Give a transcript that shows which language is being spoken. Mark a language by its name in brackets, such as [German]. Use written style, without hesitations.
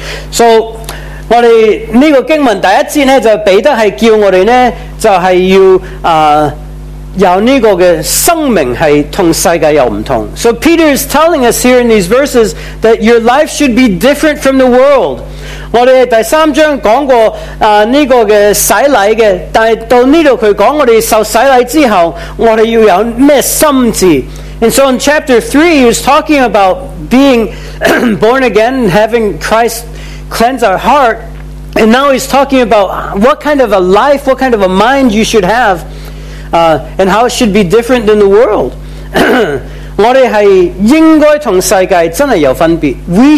[Chinese] So 我们这个经文第一节呢，就彼得是叫我们呢，就是要有这个的生命是跟世界有不同。 [English] So Peter is telling us here in these verses that your life should be different from the world. [Chinese] 我们第三章讲过这个洗礼的，但是到这里他讲我们受洗礼之后，我们要有什么心智。 [English] And so in chapter 3, he was talking about being born again and having Christ cleanse our heart. And now he's talking about what kind of a life, what kind of a mind you should have, and how it should be different than the world. [Chinese] 我们是应该跟世界真的有分别。 [English] We